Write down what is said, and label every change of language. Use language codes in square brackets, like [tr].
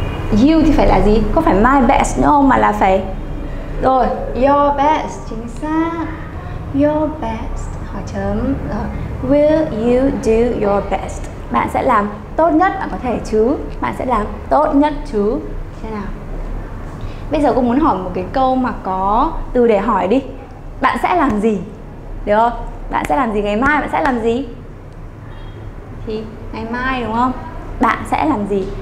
[vi] You thì phải là gì? Có phải [en] my best [vi] nữa không, mà là phải rồi [en] your best, [vi] chính xác. [en] Your best, [vi] hỏi chấm. [en] Rồi, will you do your best? [vi] Bạn sẽ làm tốt nhất bạn có thể chứ? Bạn sẽ làm tốt nhất chứ? Thế nào? Bây giờ cô muốn hỏi một cái câu mà có từ để hỏi đi. Bạn sẽ làm gì? Được không? Bạn sẽ làm gì ngày mai? Bạn sẽ làm gì? Thì ngày mai, đúng không? Bạn sẽ làm gì?